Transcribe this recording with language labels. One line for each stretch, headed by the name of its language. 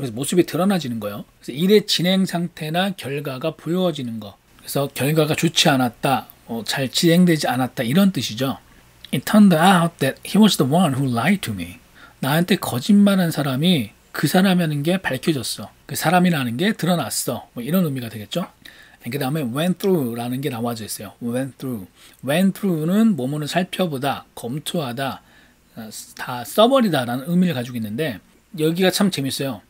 Korean: 그래서 모습이 드러나지는 거예요. 그래서 일의 진행 상태나 결과가 보여지는 거. 그래서 결과가 좋지 않았다, 뭐 잘 진행되지 않았다 이런 뜻이죠.
English: It turned out that he was the one who lied to me.
Korean: 나한테 거짓말한 사람이 그 사람이라는 게 밝혀졌어. 그 사람이라는 게 드러났어. 뭐 이런 의미가 되겠죠. 그 다음에 went through라는 게 나와져 있어요. went through. went through는 뭐뭐는 살펴보다, 검토하다, 다 써버리다 라는 의미를 가지고 있는데 여기가 참 재밌어요.